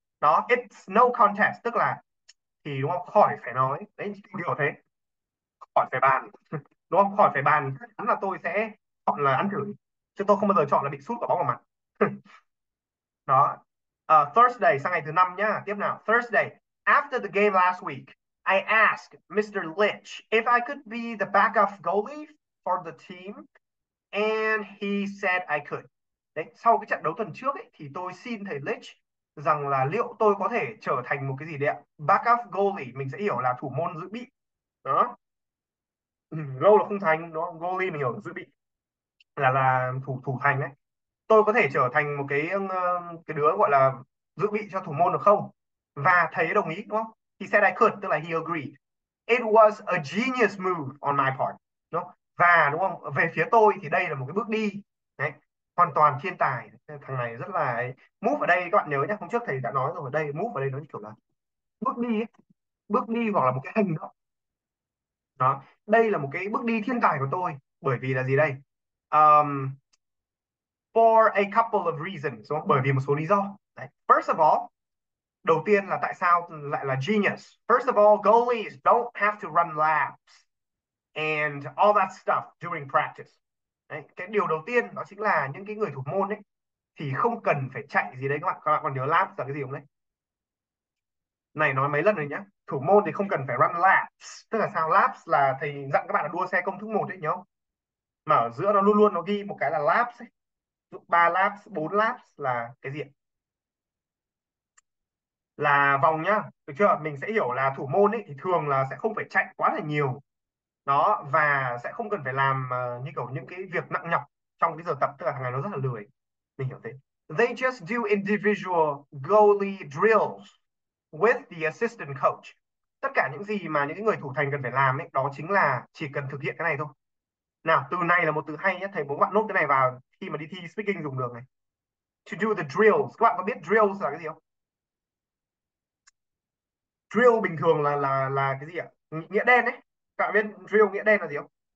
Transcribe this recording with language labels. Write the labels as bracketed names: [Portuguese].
[Vietnamese] Đó, [English] it's no contest, [Vietnamese] tức là thì đúng không? Khỏi phải nói. Đấy, hiểu thế. Khỏi phải bàn. Đúng không? Khỏi phải bàn. Chắc chắn là tôi sẽ chọn là ăn chửi. Chứ tôi không bao giờ chọn là bị sút quả bóng vào mặt. Đó. Thursday, sang ngày thứ năm nhá. Tiếp nào. Thursday. [English] After the game last week, I asked Mr. Lynch if I could be the backup goalie for the team. And he said I could. [Vietnamese] Đấy, sau cái trận đấu tuần trước ấy, thì tôi xin thầy Lynch rằng là liệu tôi có thể trở thành một cái gì đấy ạ? Backup goalie, mình sẽ hiểu là thủ môn dự bị. Đó. Goal là không thành, đúng không? Goalie mình hiểu là dự bị. Là thủ thủ thành đấy. Tôi có thể trở thành một cái đứa gọi là dự bị cho thủ môn được không? Và thầy ấy đồng ý, đúng không? [English] He said I could, [Vietnamese] tức là [English] he agreed. It was a genius move on my part. [Vietnamese] Đúng không? Và đúng không, về phía tôi thì đây là một cái bước đi đấy, hoàn toàn thiên tài. Thằng này rất là ấy. Move ở đây các bạn nhớ nhé, hôm trước thầy đã nói rồi, ở đây move ở đây nó như kiểu là bước đi ấy. Bước đi hoặc là một cái hành động đó, đây là một cái bước đi thiên tài của tôi, bởi vì là gì đây, [English] for a couple of reasons, [Vietnamese] đúng không? Bởi vì một số lý do đấy. [English] First of all, [Vietnamese] đầu tiên là tại sao lại là genius. [English] First of all, goalies don't have to run laps and all that stuff during practice. [Vietnamese] Đấy, cái điều đầu tiên đó chính là những cái người thủ môn ấy thì không cần phải chạy gì đấy các bạn. Các bạn còn nhớ lap là cái gì không đấy? Này nói mấy lần rồi nhá. Thủ môn thì không cần phải run laps. Tức là sao? Laps là thầy dặn các bạn là đua xe công thức 1 đấy nhớ không? Mà ở giữa nó luôn luôn nó ghi một cái là laps ấy. Ví dụ 3 laps, 4 laps là cái gì? Là vòng nhá. Được chưa? Mình sẽ hiểu là thủ môn ấy thì thường là sẽ không phải chạy quá là nhiều. Đó, và sẽ không cần phải làm như kiểu những cái việc nặng nhọc trong cái giờ tập, tức là thằng này nó rất là lười, mình hiểu thế. [English] They just do individual goalie drills with the assistant coach. [Vietnamese] Tất cả những gì mà những cái người thủ thành cần phải làm ấy, đó chính là chỉ cần thực hiện cái này thôi. Nào, từ này là một từ hay nhé, thầy muốn bạn nốt cái này vào khi mà đi thi speaking dùng được này. [English] To do the drills, [Vietnamese] các bạn có biết drills là cái gì không? Drill bình thường là cái gì ạ? Nghĩa đen đấy. Các bạn biết drill nghĩa đen là gì không?